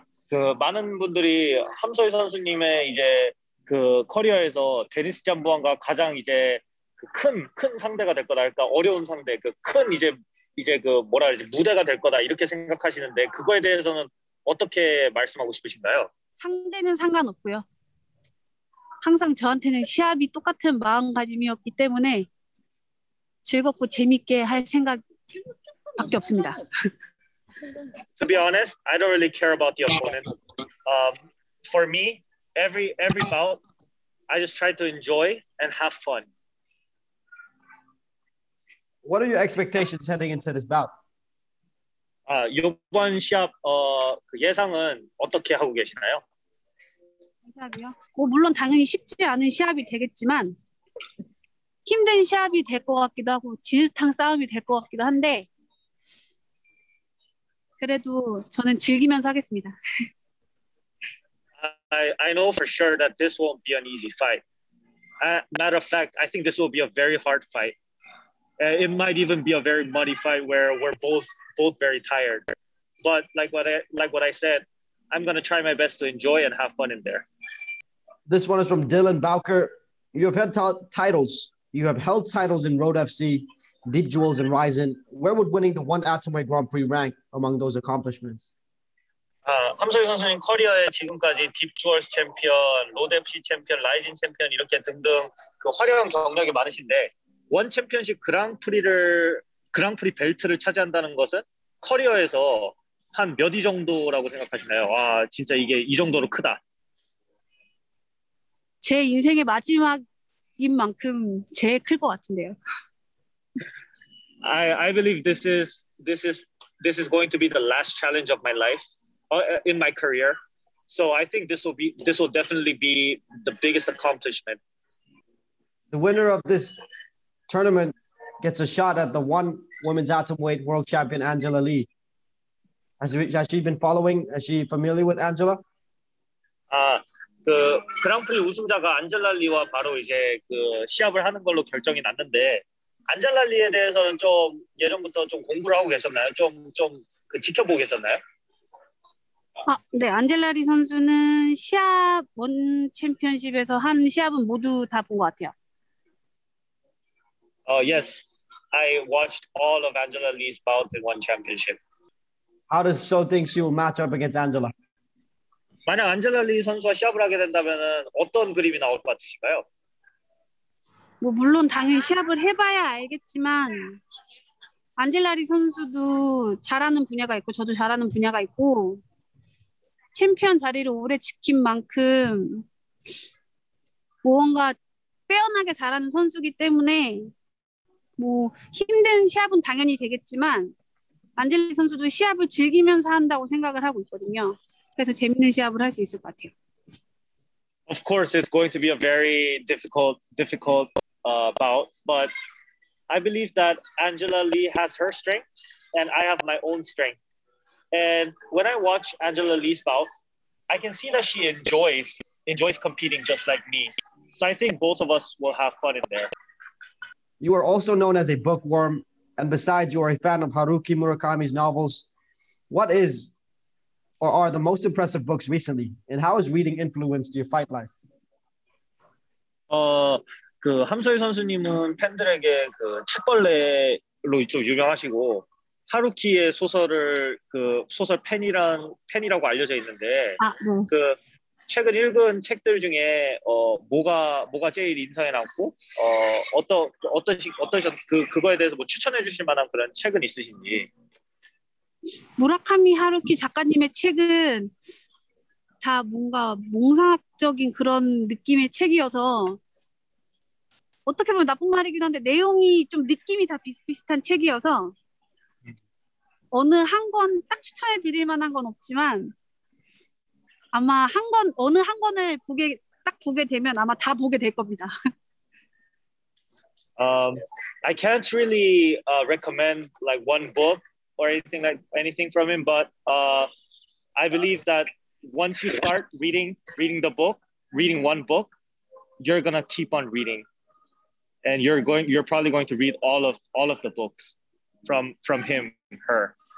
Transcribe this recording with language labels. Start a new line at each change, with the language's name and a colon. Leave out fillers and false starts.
Korean: 그 많은 분들이 함소희 선수님의 이제 그 커리어에서 데니스 잠보안과 가장 이제 큰 상대가 될 거다, 그러니까 어려운 상대, 그 큰 이제 그 뭐라 그러지, 무대가 될 거다 이렇게 생각하시는데 그거에 대해서는 어떻게 말씀하고 싶으신가요? 상대는 상관없고요. 항상 저한테는 시합이 똑같은 마음가짐이었기 때문에 즐겁고 재밌게 할 생각밖에 없습니다.
English: To be honest, I don't really care about the opponent. For me, every bout, I just try to enjoy and have fun. What are your expectations heading into this bout?
Korean: 이번 시합 예상은 어떻게 하고 계시나요? 시합이요? 물론 당연히 쉽지 않은 시합이 되겠지만 힘든 시합이 될 것 같기도 하고 진흙탕 싸움이 될 것 같기도 한데 그래도 저는 즐기면서 하겠습니다.
English: I know for sure that this won't be an easy fight. Matter of fact, I think this will be a very hard fight. It might even be a very muddy fight where we're both very tired. But like what I said, I'm going to try my best to enjoy and have fun in there. This one is from Dylan Bowker. You have had titles. You have held titles in Road FC, Deep Jewels, and Ryzen. Where would winning the one Atomweight Grand Prix rank among those accomplishments?
Korean: 함소희 선수님 커리어에 지금까지 딥 주얼스 챔피언, 로드 FC 챔피언, 라이징 챔피언 이렇게 등등 그 화려한 경력이 많으신데 원 챔피언십 그랑프리 벨트를 차지한다는 것은 커리어에서 한 몇 위 정도라고 생각하시나요? 와, 진짜 이게 이 정도로 크다. 제 인생의 마지막인 만큼 제일 클 것 같은데요.
English: I believe this is going to be the last challenge of my life, in my career. So I think this will definitely be the biggest accomplishment. The winner of this tournament gets a shot at the one women's atomweight world champion, Angela Lee. Has she been following? Is she familiar with Angela?
Korean: 그 그랑프리 우승자가 안젤라 리와 바로 이제 그 시합을 하는 걸로 결정이 났는데 안젤라 리에 대해서는 좀 예전부터 좀 공부를 하고 계셨나요? 좀 그 지켜보고 계셨나요? 네, 안젤라 리 선수는 시합 원 챔피언십에서 한 시합은 모두 다 본 것 같아요.
English: Yes, I watched all of Angela Lee's bouts in one championship. How does Sho think she will match up against Angela?
Korean: 만약 안젤라 리 선수와 시합을 하게 된다면은 어떤 그림이 나올 것 같으신가요? 물론 당연히 시합을 해봐야 알겠지만 안젤라 리 선수도 잘하는 분야가 있고 저도 잘하는 분야가 있고 챔피언 자리를 오래 지킨 만큼 뭔가 빼어나게 잘하는 선수이기 때문에 힘든 시합은 당연히 되겠지만 안젤라 리 선수도 시합을 즐기면서 한다고 생각을 하고 있거든요. 그래서 재밌는 시합을 할 수 있을 것 같아요.
English: Of course, it's going to be a very difficult bout, but I believe that Angela Lee has her strength, and I have my own strength. And when I watch Angela Lee's bouts, I can see that she enjoys competing just like me. So I think both of us will have fun in there. You are also known as a bookworm, and besides, you are a fan of Haruki Murakami's novels. What is or are the most impressive books recently, and how has reading influenced your fight life?
Korean: 그 함서희 선수님은 팬들에게 그 책벌레로 좀 유명하시고 하루키의 소설을 그 소설 팬이라고 알려져 있는데 아, 네. 그 최근 읽은 책들 중에 뭐가 제일 인상에 남고 어떠신 그거에 대해서 뭐 추천해 주실 만한 그런 책은 있으신지? 무라카미 하루키 작가님의 책은 다 뭔가 몽상학적인 그런 느낌의 책이어서 어떻게 보면 나쁜 말이긴 한데 내용이 좀 느낌이 다 비슷비슷한 책이어서 어느 한 권 딱 추천해 드릴 만한 건 없지만 아마 한 권 어느 한 권을 보게 딱 보게 되면 아마 다 보게 될 겁니다.
English: I can't really recommend like one book or anything from him, but I believe that once you start reading one book, you're gonna keep on reading, and you're probably going to read all of the books from him, her.